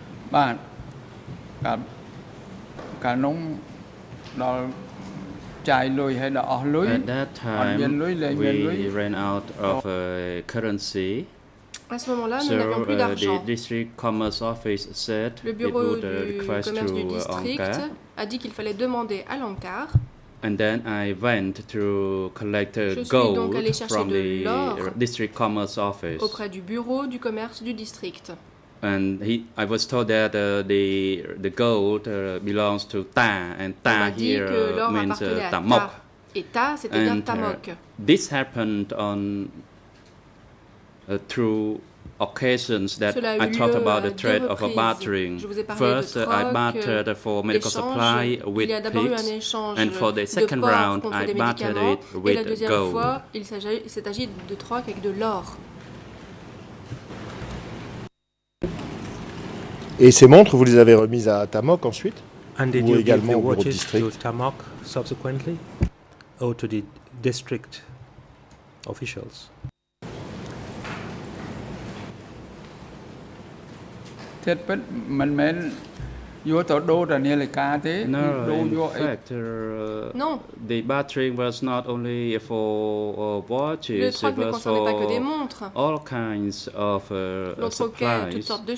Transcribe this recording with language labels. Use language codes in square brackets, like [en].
[en] Bạn cả nông đó chạy lùi hay là ở lùi. At that time, we ran out of currency. [fr] À ce moment-là, [en] so, [fr] nous n'avions plus d'argent. [en] The district commerce office said [fr] le bureau [en] it would, [fr] du commerce du district a dit qu'il fallait demander à l'Ankar. [en] And then I went to collect [fr] je [en] gold [fr] suis donc allé chercher de l'or [en] district commerce office [fr] auprès du bureau du commerce du district. [en] And I was told that the gold belongs to Ta, and Ta here means Tamok. [fr] Et Ta, c'est-à-dire [en] and, [fr] Tamok. [en] This happened on through occasions that I talked about the trade of bartering. First, I bartered for medical supply with pigs, and for the second round, I bartered it with gold. [fr] Il s'agit de troc avec de l'or. Et ces montres, vous les avez remises à Tamok ensuite, [en] and [fr] ou également au [en] watches [fr] district? [en] To Tamok subsequently, or to the district officials? No, in fact, the battering was not only for watches, it was for all kinds of supplies.